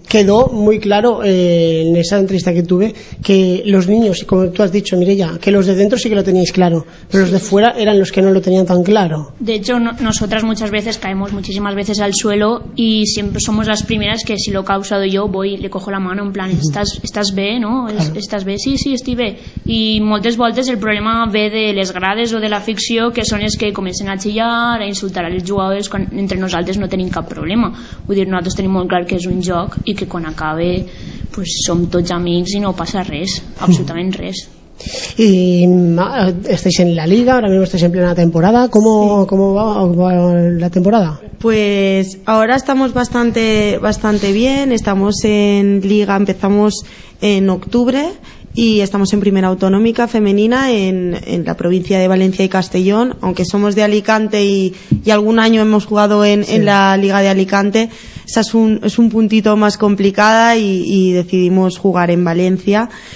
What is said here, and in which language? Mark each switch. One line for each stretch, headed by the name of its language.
Spanish: Quedó muy claro en esa entrevista que tuve que los niños, como tú has dicho, Mireia, que los de dentro sí que lo teníais claro, pero los de fuera eran los que no lo tenían tan claro. De hecho, nosotras muchas veces caemos muchísimas veces al suelo y siempre somos las primeras que, si lo he causado yo, voy y le cojo la mano en plan, estás B, ¿no? Claro. Estás B, sí, estoy B.
Catalan: Y moltes voltes el problema ve de les grades o de la ficció, que són els que comencen a chillar, a insultar als jugadors, quan entre nosaltres no tenim cap problema. Vull dir, nosaltres tenim molt clar que és un joc i que quan acabe pues som tots amics i no passa res, absolutament res. I estàs en la Liga, ara mateix estàs en plena temporada.
Spanish: ¿Cómo va la temporada? Pues ahora estamos bastante, bastante bien. Estamos en Liga, empezamos en octubre y estamos en Primera Autonómica Femenina en la provincia de Valencia y Castellón. Aunque somos de Alicante y algún año hemos jugado en la Liga de Alicante, esa es un puntito más complicada y decidimos jugar en Valencia.